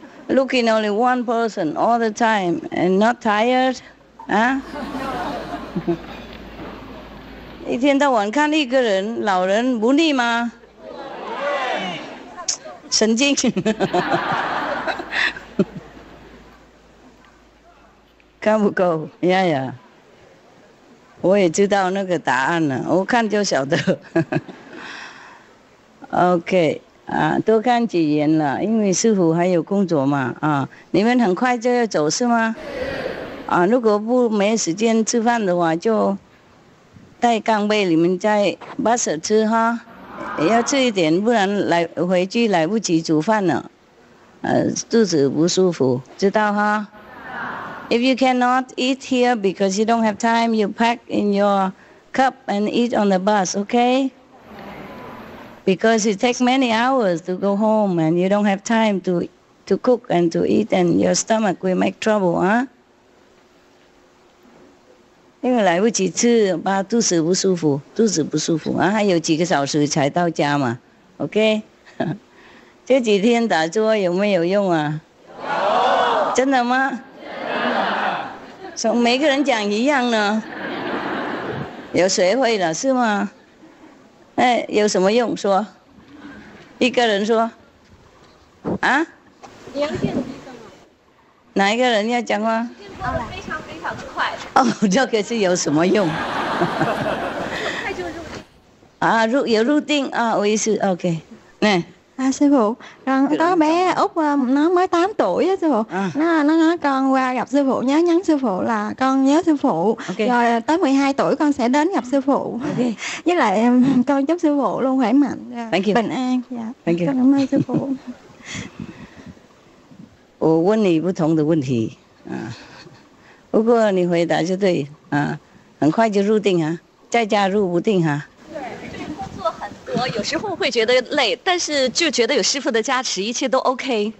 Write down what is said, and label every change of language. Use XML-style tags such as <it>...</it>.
<en>Looking only one person all the time and not tired? Huh?</en> <zh>一天到晚看一个人老人不腻吗神经看不够呀呀我也知道那个答案了，我看就晓得。 OK， 啊，多看几眼了，因为师傅还有工作嘛，啊，你们很快就要走是吗？啊，如果不没时间吃饭的话，就带干杯，你们在巴士吃哈，也要吃一点，不然来回去来不及煮饭了，肚子不舒服，知道哈？</zh> <en>If you cannot eat here because you don't have time, you pack in your cup and eat on the bus, okay? Because it takes many hours to go home and you don't have time to cook and to eat and your stomach will make trouble, huh?</en> <zh>因为来不及吃，怕肚子不舒服，肚子不舒服啊，还有几个小时才到家嘛 ，okay? 这几天打坐有没有用啊？有。真的吗？从每个人讲一样呢，有谁会了是吗？哎，有什么用说？一个人说，啊？你要见几个吗？哪一个人要讲话？非常非常快。哦，这个是有什么用？快就入定。啊，入有入定啊，我意思 OK， 那。啊，师傅，跟个</zh> <vi>bé Úc nó mới 8 tuổi á</vi> <zh>师傅，那那个</zh> <vi>con qua gặp sư phụ nhớ nhắn sư phụ là con nhớ sư phụ，</vi> <en>okay.</en> <vi>Rồi tới 12 tuổi con sẽ đến gặp sư phụ.</vi> <en>Okay.</en> <vi>Với lại con chúc sư phụ luôn khỏe mạnh,</vi> <en>Thank you.</en> <vi>Bình an.</vi> <en>Yeah. Thank you.</en> <vi>Cảm ơn sư phụ.</vi> <zh>我问你不同的问题啊，不过你回答就对啊，很快就入定哈，在家入不定哈。我有时候会觉得累，但是就觉得有师父的加持，一切都 OK。</zh>